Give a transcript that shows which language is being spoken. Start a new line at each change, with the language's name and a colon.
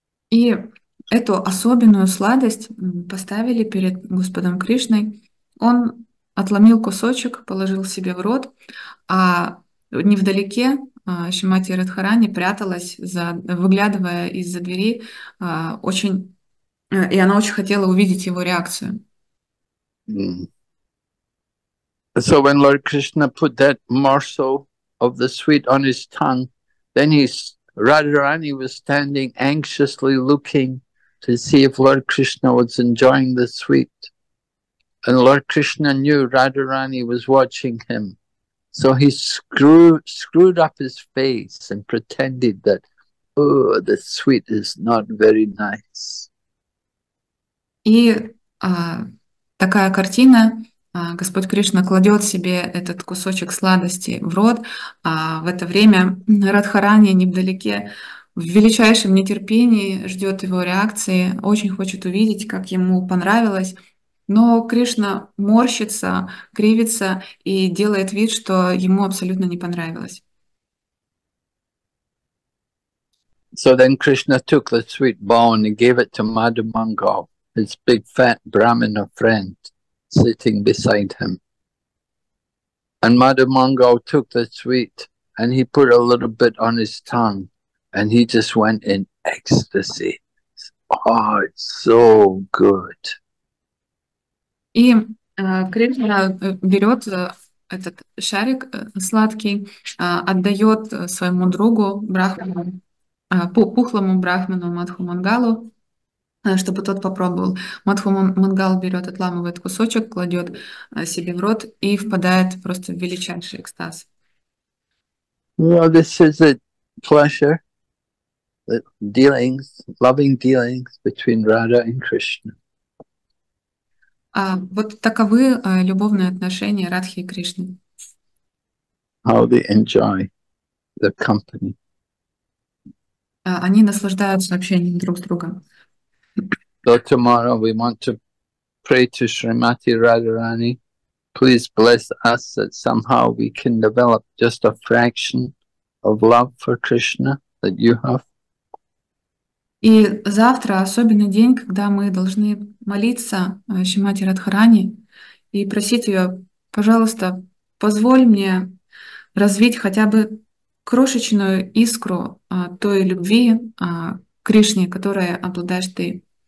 Russian: И эту особенную сладость поставили перед Господом Кришной. Он отломил кусочек, положил себе в рот, а невдалеке Шимати Радхарани пряталась, выглядывая из-за двери, и она очень хотела увидеть его реакцию.
English: So when Lord Krishna put that morsel of the sweet on his tongue, then Radharani was standing anxiously looking to see if Lord Krishna was enjoying the sweet. And Lord Krishna knew Radharani was watching him. So he screwed up his face and pretended that, oh, the sweet is not very nice.
Russian: Такая картина. Господь Кришна кладет себе этот кусочек сладости в рот, а в это время Радхарани невдалеке в величайшем нетерпении ждет его реакции, очень хочет увидеть, как ему понравилось. Но Кришна морщится, кривится и делает вид, что ему абсолютно не понравилось.
English: So then Krishna took the sweet bone and gave it to Madhu Mangal, his big fat Brahmana friend, sitting beside him. And Madhu Mangal took the sweet and he put a little bit on his tongue and he just went in ecstasy. Oh, it's so good.
Russian: И Кришна берет этот шарик сладкий, отдает своему другу Брахману, пухлому Брахману Мадху Мангалу, чтобы тот попробовал. Мадху Мангал берет, отламывает кусочек, кладет себе в рот и впадает просто в величайший экстаз.
English: Well, this is a pleasure, the dealings, loving dealings between Radha and Krishna.
Russian: Вот таковы любовные отношения Радхи и Кришны.
English: How they enjoy the company.
Russian: Они наслаждаются общением друг с другом.
English: So tomorrow we want to pray to Srimati Radharani. Please bless us that somehow we can develop just a fraction of love for Krishna that you have.
Russian: И завтра особенный день, когда мы должны молиться Шимати Радхарани и просить ее, пожалуйста, позволь мне развить хотя бы крошечную искру той любви Кришне, которой обладаешь ты.